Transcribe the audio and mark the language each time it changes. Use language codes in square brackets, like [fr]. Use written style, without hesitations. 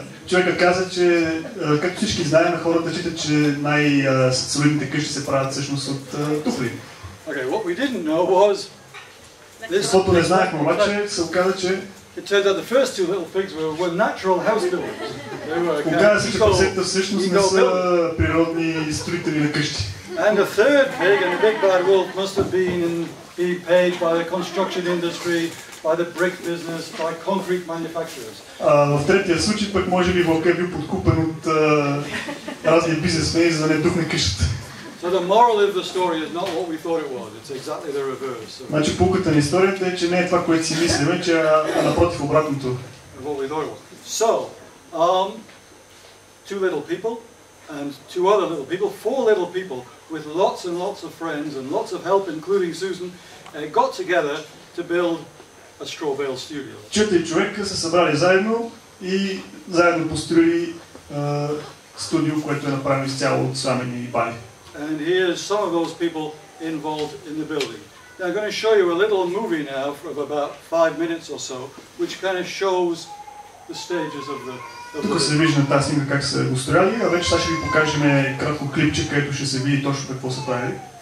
[bg] Човекът каза, че както всички знаем, хората считат, че най-солидните къщи се правят всъщност от туфли. [en] Okay, what we didn't know was this. [bg] Каквото не знаехме, обаче се оказа, че. [en] It turned out the first two little pigs were natural house builders. [bg] Оказа се, че пасетата всъщност не са природни строители на къщи. [en] And the third pig and the big bad wolf must have been paid by the construction industry, by the brick business, by concrete manufacturers. [bg] В третия случай пък може би вълкът е бил подкупен от разни бизнесмени, за да не духне къщата. [en] So the moral of the story is not what we thought it was. It's exactly the reverse. [bg] Значи поуката на историята е, че не е това, което си мислим, че е напротив, обратното. [en] What we thought it was. So, two little people. And two other little people, four little people, with lots and lots of friends and lots of help, including Susan, got together to build a straw bale studio. [bg] Четири човека се събрали заедно и заедно построили студио, което е направено изцяло от сламени бали. [en] And here's some of those people involved in the building. Now I'm going to show you a little movie now of about 5 minutes or so, which kind of shows the stages of the [bg] Тук се вижда тази снимка как са го строяли, а вече сега ще ви покажем кратко клипче, където ще се види точно какво са правили.